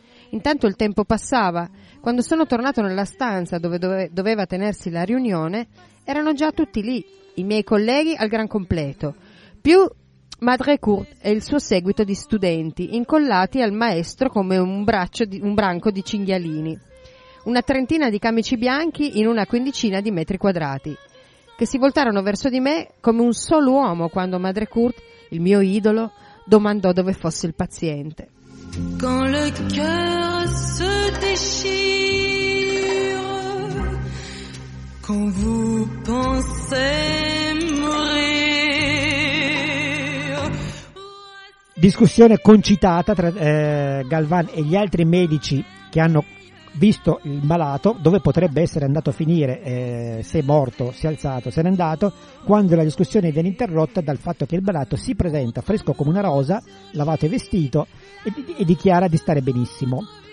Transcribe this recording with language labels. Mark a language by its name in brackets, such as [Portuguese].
[Italian] Intanto il tempo passava. Quando sono tornato nella stanza dove doveva tenersi la riunione, erano già tutti lì, i miei colleghi al gran completo, più Madrecourt e il suo seguito di studenti, incollati al maestro come un branco di cinghialini. Una trentina di camici bianchi in una quindicina di metri quadrati, che si voltarono verso di me come un solo uomo quando Madrecourt, il mio idolo, domandò dove fosse il paziente. [French] Quand le cœur se déchire, quand vous pensez mourir. [Italian] Discussione concitata tra Galvan e gli altri medici che hanno visto il malato, dove potrebbe essere andato a finire, se è morto, si è alzato, se n'è andato, quando la discussione viene interrotta dal fatto che il malato si presenta fresco come una rosa, lavato e vestito, e dichiara di stare benissimo.